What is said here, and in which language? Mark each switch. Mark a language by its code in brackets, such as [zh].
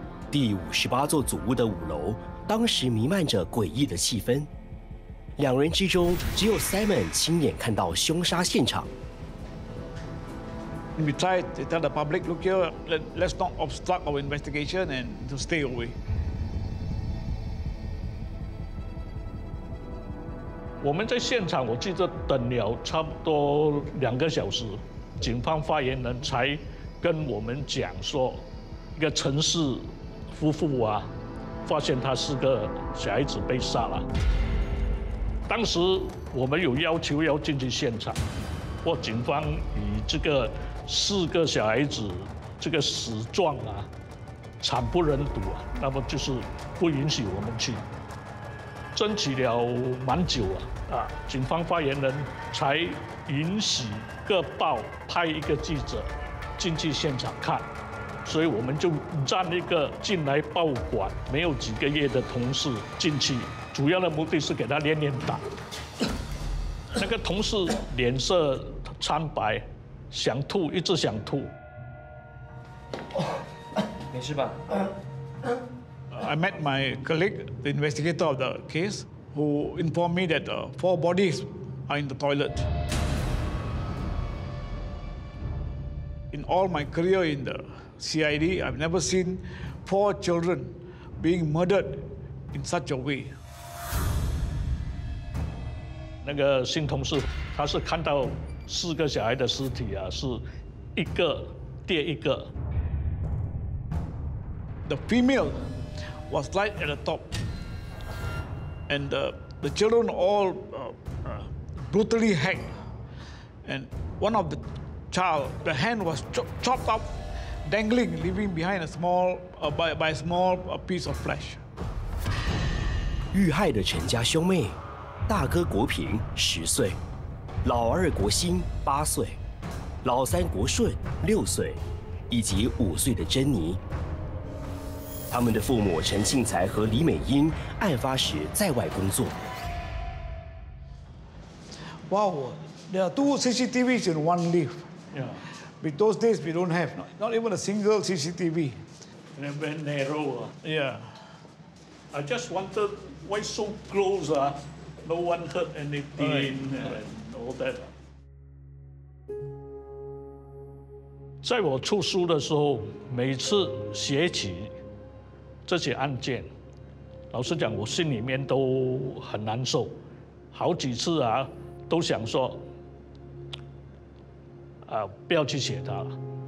[zh] 第58座祖屋的五楼，当时弥漫着诡异的气氛。两人之中，只有 Simon 亲眼看到凶杀现场。 [en] We try to tell the public, look here, let's not obstruct our investigation and to stay away。 [zh] 我们在现场，我记得等了差不多两个小时，警方发言人才跟我们讲说，一个城市夫妇啊，发现他是个小孩子被杀了。当时我们有要求要进去现场，或警方以这个四个小孩子这个死状啊，惨不忍睹啊，那么就是不允许我们去。争取了蛮久啊，警方发言人才允许各报派一个记者进去现场看。所以我们就让一个进来报馆没有几个月的同事进去，主要的目的是给他练练胆。那个同事脸色苍白，想吐，一直想吐。没事吧？ [en] I met my colleague, the investigator of the case, who informed me that four bodies are in the toilet. In all my career in the CID, I've never seen four children being murdered in such a way. [zh] 那个新同事，他是看到四个小孩的尸体啊，是一个叠一个。 [en] The female. Was right at the top, and the children all brutally hanged. And one of the child, the hand was chopped up, dangling, leaving behind a small by a small piece of flesh. [zh] 遇害的陈家兄妹，大哥国平十岁，老二国兴八岁，老三国顺六岁，以及五岁的珍妮。他们的父母陈庆才和李美英案发时在外工作。 [en] Wow, there are two CCTVs in one lift. Yeah. But those days we don't have not even a single CCTV. And it's very narrow. Yeah. I just wondered why so close, no one heard anything and all that. [zh] 在我出书的时候，每次写起。这些案件，老实讲，我心里面都很难受，好几次啊，都想说，不要去写它了。